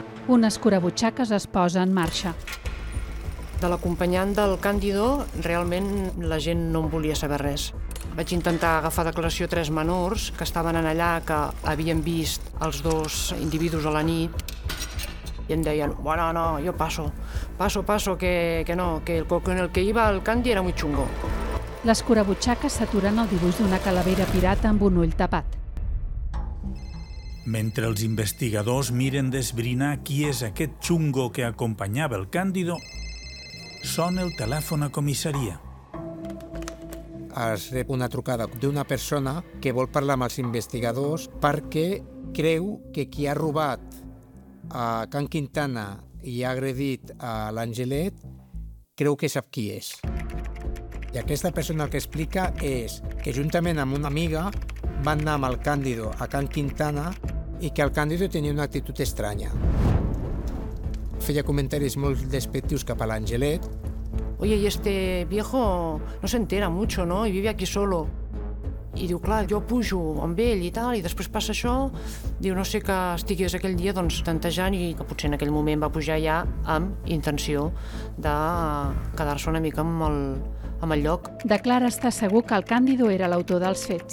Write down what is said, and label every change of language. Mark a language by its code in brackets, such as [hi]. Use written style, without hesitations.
[ca] Un escurabutxaques es posa en marxa. De l'acompanyant del Càndido, realment la gent no en volia saber res. Vaig intentar agafar declaració a tres menors que estaven allà, que havien vist els dos individus a la nit, i em deien, bueno, no, jo passo. Passo, [es] que no, que el coco en el que iba el Candy era muy chungo. [ca] L'escurabutxaques s'atura en el dibuix d'una calavera pirata amb un ull tapat. Mentre els investigadors miren d'esbrinar qui és aquest xungo que acompanyava el Càndido, sona el telèfon a comissaria. Es rep una trucada d'una persona que vol parlar amb els investigadors perquè creu que qui ha robat a Can Quintana i ha agredit a l'Angelet creu que sap qui és. I aquesta persona el que explica és que juntament amb una amiga van anar amb el Càndido a Can Quintana i que el Càndido tenia una actitud estranya. Feia comentaris molt despectius cap a l'Angelet. [es] Oye, y este viejo no se entera mucho, ¿no? Y vive aquí solo. [ca] I diu, clar, jo pujo amb ell i tal, i després passa això. Diu, no sé que estigués aquell dia doncs tantejant i que potser en aquell moment va pujar ja amb intenció de quedar-se una mica amb el lloc. Declara estar segur que el Càndido era l'autor dels fets.